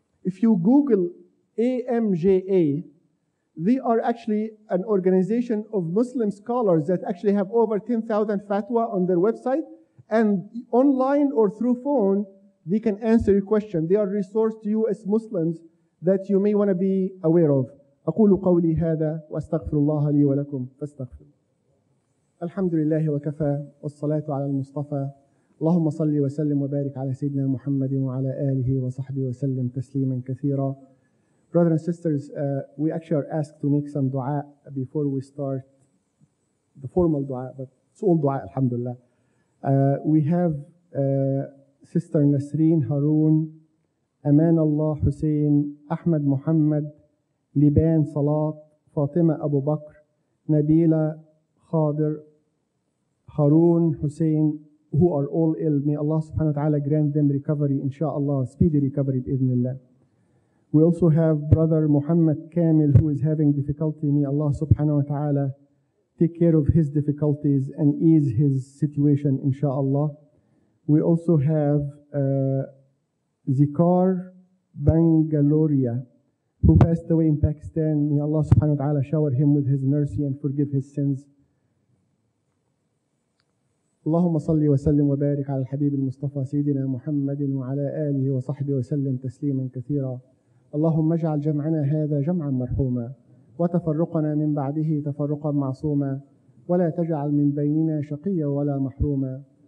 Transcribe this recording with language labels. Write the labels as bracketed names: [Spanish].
[English] If you Google AMJA, they are actually an organization of Muslim scholars that actually have over 10,000 fatwa on their website. And online or through phone, they can answer your question. They are resourced to you as Muslims that you may want to be aware of. [Arabic] أقول قولي هذا وأستغفر الله لي ولكم فاستغفر. الحمد لله وكفى والصلاة على المصطفى. اللهم صل وسلم وبارك على سيدنا محمد وعلى آله وصحبه وسلم تسليما كثيرا. [English] Brothers and sisters, we actually are asked to make some dua before we start the formal dua, but it's all dua, alhamdulillah. We have Sister Nasreen Haroon, Aman Allah Hussein, Ahmed Muhammad, Liban Salat, Fatima Abu Bakr, Nabila Khadir, Haroon Hussein, who are all ill. May Allah subhanahu wa ta'ala grant them recovery, inshaAllah, speedy recovery, bi'idhnillah. We also have Brother Muhammad Kamil, who is having difficulty. May Allah subhanahu wa ta'ala take care of his difficulties and ease his situation, inshaAllah. We also have Zikar Bangaloria, who passed away in Pakistan. May Allah subhanahu wa ta'ala shower him with his mercy and forgive his sins. [Arabic] اللهم صل وسلم وبارك على الحبيب المصطفى سيدنا محمد وعلى آله وصحبه وسلم تسليما كثيرا. اللهم اجعل جمعنا هذا جمعا مرحوما وتفرقنا من بعده تفرقا معصوما ولا تجعل من بيننا شقيا ولا محروما.